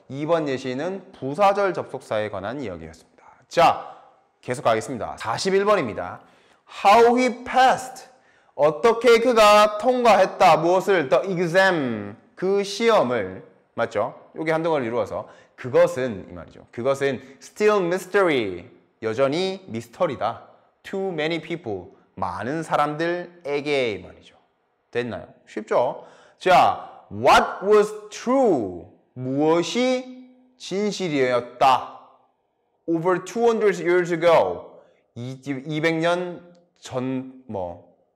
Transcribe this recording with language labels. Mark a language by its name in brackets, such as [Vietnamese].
[Korean] 2번 예시는 부사절 접속사에 관한 이야기였습니다. 자, 계속 가겠습니다. 41번입니다. [English] How he passed. [Korean] 어떻게 그가 통과했다. 무엇을? The exam. 그 시험을. 맞죠? 여기 한 덩어리를 이루어서. 그것은, 이 말이죠. [English] 그것은 still mystery. [Korean] 여전히 미스터리다. Too many people. 많은 사람들에게, 이 말이죠. 됐나요? 쉽죠? 자, [English] what was true? [Korean] 무엇이 진실이었다? [English] Over 200 years ago. [Korean] 200년 전, 뭐.